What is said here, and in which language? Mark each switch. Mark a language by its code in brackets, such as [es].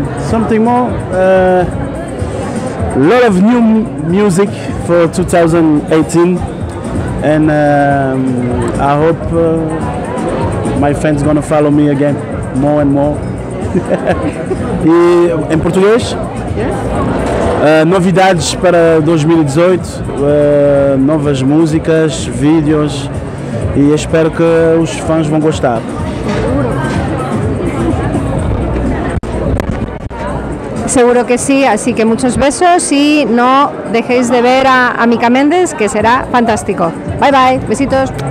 [en] Something more? Lot of new music for 2018, and I hope my fans gonna follow me again more and more. [pt] em português? Novidades para 2018, novas músicas, vídeos, e espero que os fãs vão gostar. [es] Seguro que sí, así que muchos besos y no dejéis de ver a Mika Mendes, que será fantástico. Bye bye, besitos.